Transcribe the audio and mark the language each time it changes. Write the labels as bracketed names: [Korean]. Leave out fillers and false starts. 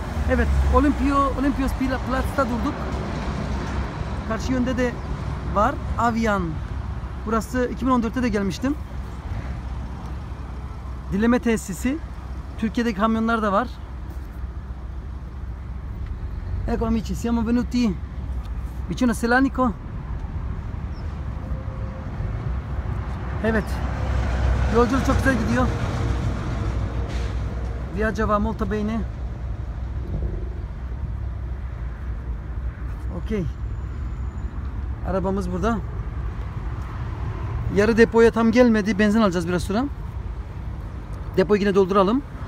[Turkish] Evet, Olympios Plats'ta durduk. Karşı yönde de var, Avian. Burası 2014'te de gelmiştim. Dinleme tesisi. Türkiye'deki kamyonlar da var. [Italian] Ecco amici, siamo venuti vicino a Selanico. [Turkish] Evet. Yolculuk çok güzel gidiyor. [Italian] Viaggiava molto bene. [Turkish] Okay. Arabamız burada. Yarı depoya tam gelmedi. Benzin alacağız biraz sonra. Depoyu yine dolduralım.